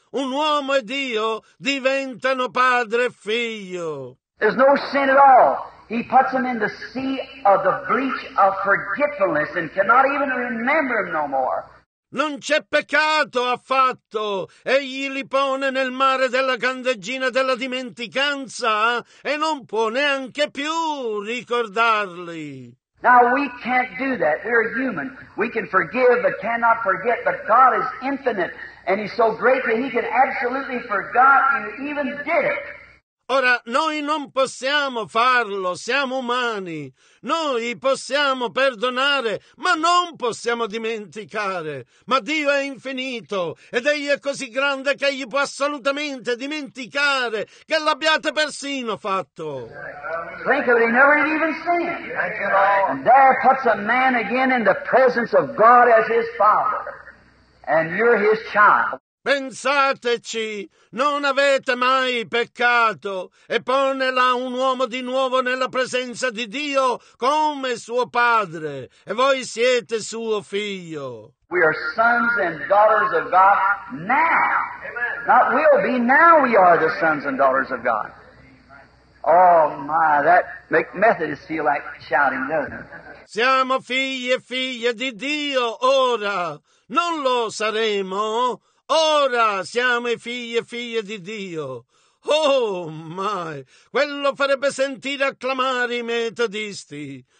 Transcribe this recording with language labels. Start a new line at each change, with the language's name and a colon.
Italian: Un uomo e Dio diventano padre e figlio.
English: There's no sin at all. He puts them in the sea of the breach of forgetfulness and cannot even remember them no more.
Italian: Non c'è peccato affatto. Egli li pone nel mare della candeggina della dimenticanza e non può neanche più ricordarli.
English: Now we can't do that. We're human. We can forgive but cannot forget. But God is infinite and He's so great that He can absolutely forget you even did it.
Italian: Ora, noi non possiamo farlo, siamo umani. Noi possiamo perdonare, ma non possiamo dimenticare. Ma Dio è infinito ed Egli è così grande che Egli può assolutamente dimenticare che l'abbiate persino fatto.
English: Think of it, he never even seen. And there puts a man again in the presence of God as his father. And you're his child.
Italian: Pensateci, non avete mai peccato, e pone là un uomo di nuovo nella presenza di Dio come suo padre, e voi siete suo figlio.
English: We are sons and daughters of God now. Amen. Not will be, now we are the sons and daughters of God. Oh my, that makes Methodists feel like shouting, doesn't it?
Italian: Siamo figli e figlie di Dio ora, non lo saremo. Ora siamo i figli e figlie di Dio. Oh, mai! Quello farebbe sentire acclamare i metodisti.